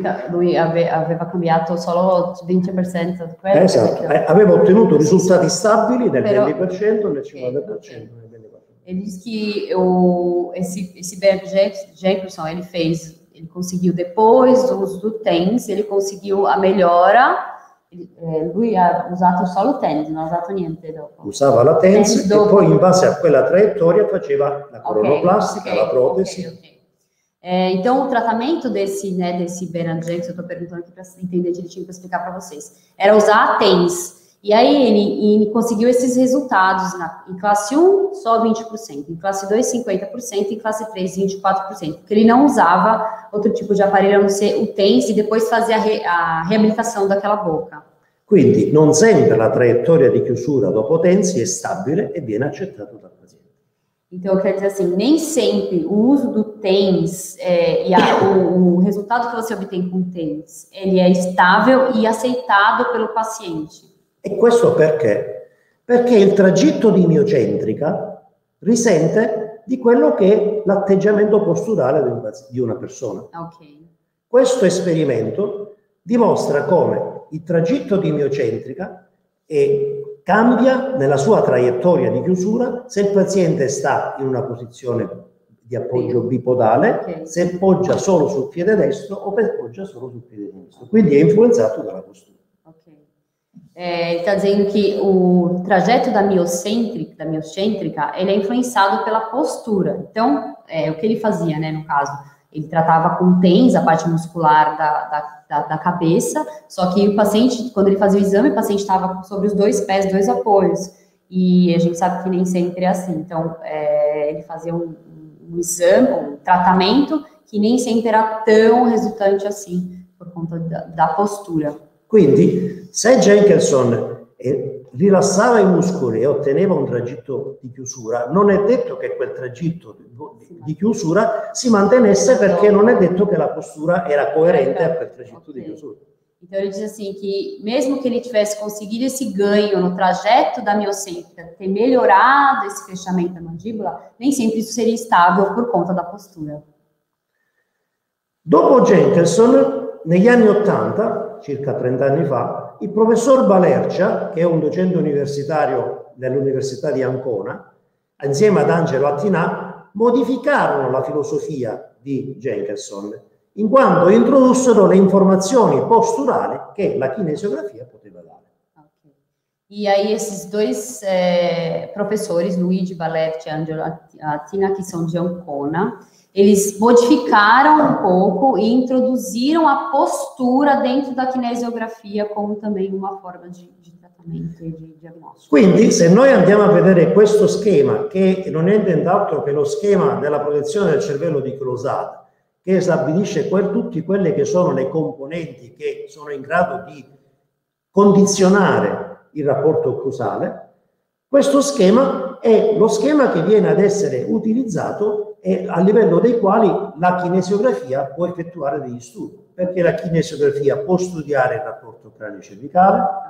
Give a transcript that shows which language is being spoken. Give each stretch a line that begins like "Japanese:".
Italian: Lui aveva cambiato solo il 20% di quello. Esatto, aveva ottenuto risultati stabili nel 20%, nel 50%, nel 24%.
Portuguese: Ele disse che esse Bernd Jenkinson, ele conseguiu depois o uso do TENS, ele conseguiu a melhora.
Italian: Lui ha usato solo TENS, non ha usato niente dopo. Usava la TENS e poi in base a quella traiettoria faceva la coronoplastica, la protesi. Okay.
Portuguese: Então, o tratamento desse Bernard Jackson, eu estou perguntando aqui para entender direitinho, para explicar para vocês, era usar a TENS. E aí ele conseguiu esses resultados em classe 1, só 20%, em classe 2, 50%, em classe 3, 24%, porque ele não usava outro tipo de aparelho, a não ser o TENS, e depois fazia a reabilitação daquela boca.
Italian: Quindi, non sempre la traiettoria di chiusura dopo TENS è stabile e viene accettata dal paziente.
Portuguese: Então, quer dizer assim, nem sempre o uso do TENS o resultado que você obtém com o TENS, ele é estável e aceitado pelo paciente.
Italian: E questo perché? Perché il tragitto di miocentrica risente di quello che è l'atteggiamento posturale di una persona. Okay. Questo esperimento dimostra come il tragitto di miocentrica cambia nella sua traiettoria di chiusura se il paziente sta in una posizione di appoggio bipodale, se poggia solo sul piede destro o se poggia solo sul piede sinistro. Quindi è influenzato dalla postura.
Portuguese: Ele está dizendo que o trajeto da miocêntrica, ele é influenciado pela postura. Então, o que ele fazia, né, no caso, ele tratava com TENS a parte muscular da cabeça, só que o paciente, quando ele fazia o exame, o paciente estava sobre os dois pés, dois apoios. E a gente sabe que nem sempre é assim. Então, ele fazia um exame, um tratamento, que nem sempre era tão resultante assim, por conta da postura.
Italian: Quindi, se Jenkinson rilassava i muscoli e otteneva un tragitto di chiusura, non è detto che quel tragitto di chiusura si mantenesse, perché non è detto che la postura era coerente a quel tragitto di chiusura.
Portuguese: Então ele diz assim que mesmo que ele tivesse conseguido esse ganho no trajeto da miocêntrica, ter melhorado esse fechamento da mandíbula, nem sempre isso seria estável por conta da postura.
Italian: Dopo Jenkinson, negli anni 80, circa 30 anni fa, il professor Balercia, che è un docente universitario dell'Università di Ancona, insieme ad Angelo Attinà, modificarono la filosofia di Jenkinson, in quanto introdussero le informazioni posturali che la kinesiografia poteva dare.
Portuguese: E aí esses dois professori, Luigi Balercia e Angelo Attinà,
Italian: che sono di Ancona,
Portuguese: eles modificaram um pouco e introduziram a postura dentro da kinesiografia como também uma forma de tratamento e de diagnóstico.
Italian: Quindi, se noi andiamo a vedere questo schema, che non è nient'altro che lo schema della protezione del cervello di Crozat, che stabilisce tutte quelle che sono le componenti che sono in grado di condizionare il rapporto occlusale, questo schema è lo schema che viene ad essere utilizzato e a livello dei quali la kinesiografia può effettuare degli studi, perché la kinesiografia può studiare il rapporto cranio-cervicale,